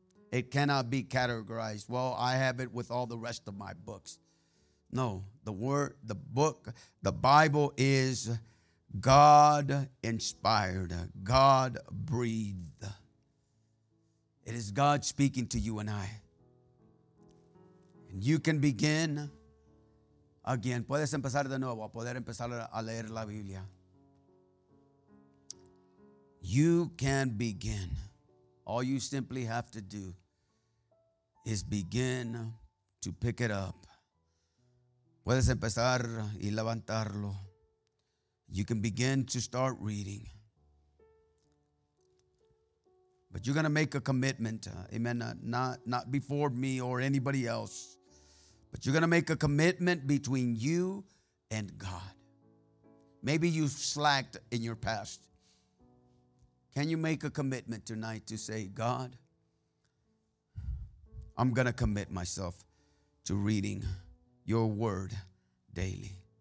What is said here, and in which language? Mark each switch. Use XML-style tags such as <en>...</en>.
<en>It cannot be categorized. Well, I have it with all the rest of my books. No, the Word, the book, the Bible is God-inspired, God-breathed. It is God speaking to you and I. And you can begin again.</en> <es>Puedes empezar de nuevo, poder empezar a leer la Biblia.</es> <en>You can begin. All you simply have to do is begin to pick it up.</en> <es>Puedes empezar y levantarlo.</es> <en>You can begin to start reading. But you're going to make a commitment, amen, not before me or anybody else, but you're going to make a commitment between you and God. Maybe you've slacked in your past. Can you make a commitment tonight to say, God, I'm going to commit myself to reading your Word daily.</en>